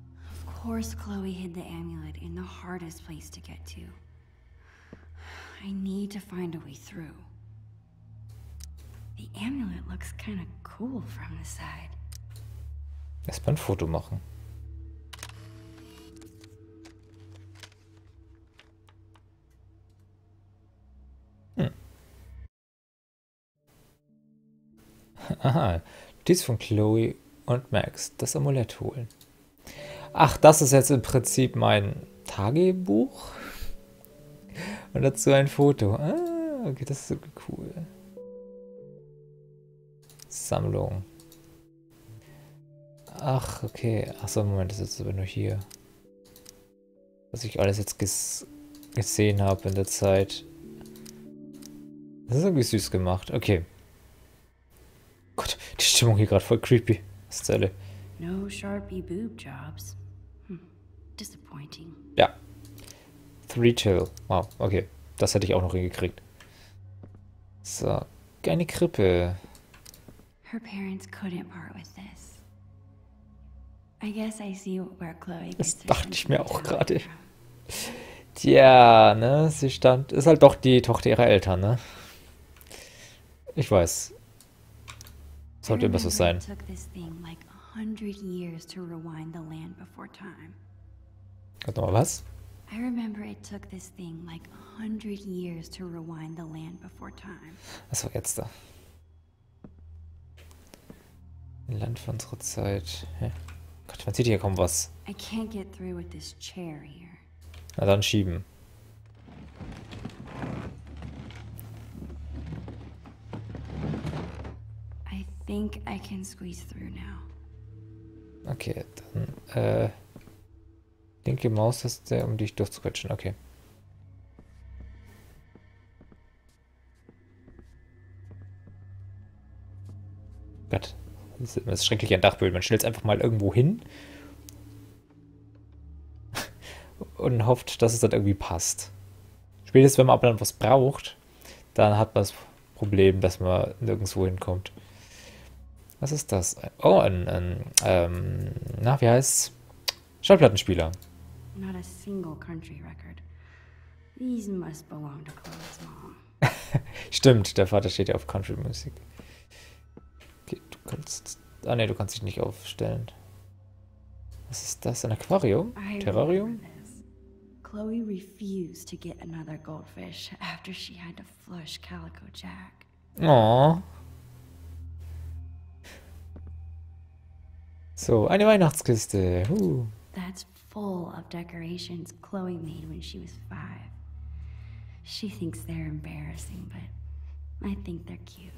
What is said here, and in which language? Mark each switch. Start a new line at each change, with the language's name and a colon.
English: Of course, Chloe hid the amulet in the hardest place to get to. I need to find a way through. The amulet looks kind of cool from the side.
German: Lass mal ein Foto machen. Aha, dies von Chloe und Max, das Amulett holen. Ach, das ist jetzt im Prinzip mein Tagebuch. Und dazu ein Foto. Ah, okay, das ist so cool. Sammlung. Ach, okay. Ach so, Moment, das ist jetzt aber nur hier. Was ich alles jetzt gesehen habe in der Zeit. Das ist irgendwie süß gemacht. Okay. Gott, die Stimmung hier gerade voll creepy. Zelle.
English: No Sharpie Boob Jobs. Disappointing. Ja. Three till. Wow, okay.
German: Das hätte ich auch noch hingekriegt. So, keine Krippe.
English: Her parents couldn't part with this. I guess I see where Chloe gets.
German: Das dachte ich mir auch gerade. Tja, ne? Sie stand. Ist halt doch die Tochter ihrer Eltern, ne? Ich weiß. Sollte immer so sein.
English: It took this thing like 100 years to rewind the land before time.
German: Warte mal, was?
English: I remember it took this thing like 100 years to rewind the land before time.
German: Achso, jetzt da. Land für unsere Zeit. Hä? Gott, man sieht hier kaum was.
English: I can't get through with this chair here.
German: Na dann schieben.
English: I think I can squeeze through now.
German: Okay, dann linke Maus ist der, um dich durchzuquetschen. Okay. Gott, das ist schrecklich ein Dachböden. Man stellt es einfach mal irgendwo hin und hofft, dass es dann irgendwie passt. Spätestens, wenn man aber dann was braucht, dann hat man das Problem, dass man nirgendwo hinkommt. Was ist das? Oh, na, wie heißt's? Schallplattenspieler.
English: Not a single country record. These must belong to Chloe's mom.
German: Stimmt, der Vater steht ja auf Country Music. Okay, du kannst. Ah ne, du kannst dich nicht aufstellen. Was ist das? Ein Aquarium?
English: I
German: Terrarium?
English: remember this. Chloe refused to get another goldfish after she had to flush Calico Jack. Oh.
German: So, eine Weihnachtskiste.
English: That's full of decorations Chloe made when she was 5. She thinks they're embarrassing, but I think they're cute.